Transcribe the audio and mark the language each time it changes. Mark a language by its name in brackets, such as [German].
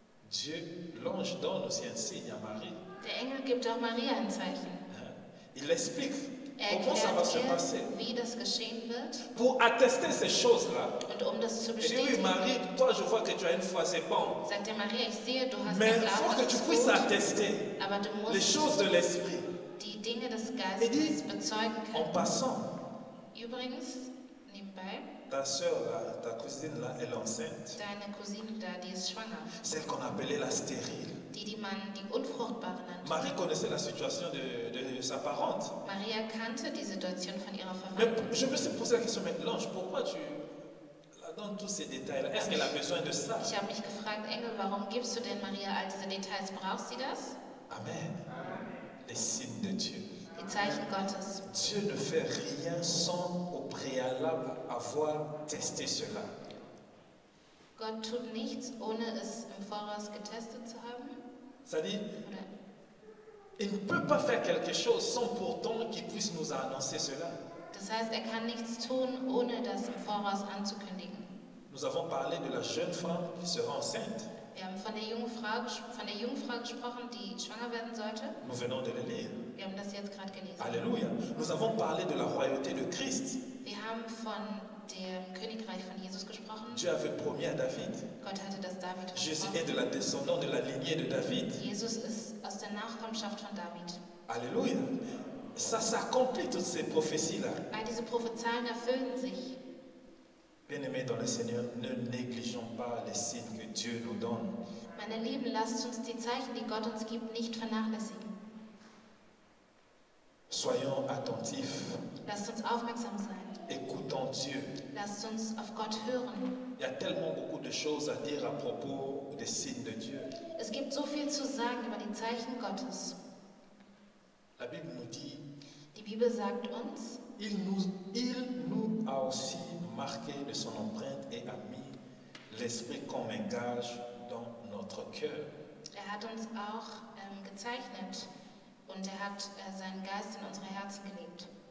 [French] Dieu, l'ange donne aussi un signe à Marie. [German] Der Engel gibt auch Maria ein Zeichen. [French] Il explique comment ça va se passer. [German] Wie das geschehen wird. [French] Pour attester ces choses-là. [German] Und um das zu bestätigen. [French] Et oui, Marie, toi, je vois que tu as une foi, c'est bon. [German] Sagt dir Maria, ich sehe, du hast [French] mais il faut que tu puisses attester les choses de l'esprit. [German] Die Dinge des Geistes [French] et dit, [German] bezeugen können. [French] En passant, [German] übrigens, nebenbei, [French] ta sœur là, ta cousine là, elle est enceinte. [German] Deine Cousine da, die ist schwanger. [French] Celle qu'on appelait la stérile. [German] Die unfruchtbare nannte. [French] Marie connaissait la situation de sa parente. [German] Maria kannte die Situation von ihrer Verwandten. [French] Mais je me suis posé la question mais l'ange, pourquoi tu la donnes tous ces détails? Est-ce qu'elle a besoin de ça? [German] Ich habe mich gefragt, Engel, warum gibst du denn Maria all diese Details? Braucht sie das? [French] Amen. Les signes de Dieu. [German] Die Zeichen Gottes. [French] Dieu ne fait rien sans au préalable avoir testé cela. [German] Gott tut nichts ohne es im Voraus getestet zu haben. [French] Ça dit, il ne peut pas faire quelque chose sans pourtant qu'il puisse nous annoncer cela. [German] Das heißt, er kann nichts tun ohne das im Voraus anzukündigen. [French] Nous avons parlé de la jeune femme qui sera enceinte. [German] Wir haben von der Jungfrau gesprochen, die schwanger werden sollte. [French] Nous venons de le lire. [German] Wir haben das jetzt gerade gelesen. [French] Alléluia. Nous avons parlé de la royauté de Christ. [German] Wir haben von der Königreich von Jesus gesprochen. [French] Dieu avait promis à David. [German] Gott hatte das David versprochen. [French] Jésus est de la descendance de la lignée de David. [German] Jesus ist aus der Nachkommenschaft von David. [French] Alléluia. Ça s'accomplit toutes ces prophéties-là. [German] All diese Prophezeiungen erfüllen sich. [French] Bien-aimés dans le Seigneur, ne négligeons pas les signes que Dieu nous donne. [German] Meine Lieben, lasst uns die Zeichen, die Gott uns gibt, nicht vernachlässigen. [French] Soyons attentifs. [German] Lasst uns aufmerksam sein. [French] Écoutons Dieu. [German] Lasst uns auf Gott hören. [French] Il y a tellement beaucoup de choses à dire à propos des signes de Dieu. [German] Es gibt so viel zu sagen über die Zeichen Gottes. [French] La Bible nous dit, [German] die Bibel sagt uns, [French] il nous a aussi marqué de son empreinte et a mis l'Esprit comme un gage dans notre cœur. [German] Er hat uns auch gezeichnet und er hat seinen Geist in unsere Herzen gelegt.